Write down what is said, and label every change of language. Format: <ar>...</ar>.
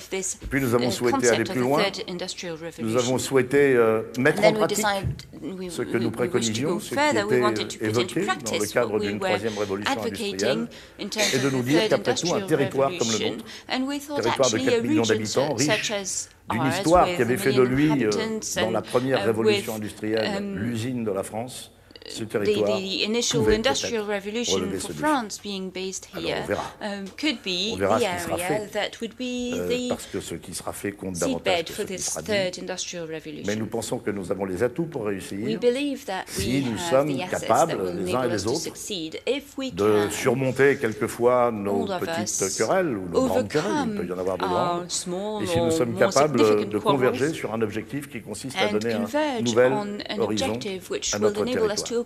<fr>Et puis nous avons souhaité aller plus loin. Nous avons souhaité mettre en pratique ce que nous préconisions, ce qui était évoqué dans le cadre d'une troisième révolution industrielle, et de nous dire qu'après tout, un territoire territoire comme le nôtre, territoire de 4 millions d'habitants, riche d'une histoire qui avait fait de lui, dans la première révolution industrielle, l'usine de la France. Ce territoire</fr> <en>the initial industrial revolution in France being based here could be the seedbed for this third industrial revolution.</en> <fr>Mais nous pensons que nous avons les atouts pour réussir si nous sommes capables les uns et les autres de surmonter quelquefois nos petites querelles ou nos grandes querelles, il peut y en avoir de grandes, et si nous sommes capables de converger sur un objectif qui consiste à donner un nouvel horizon à notre territoire.</fr>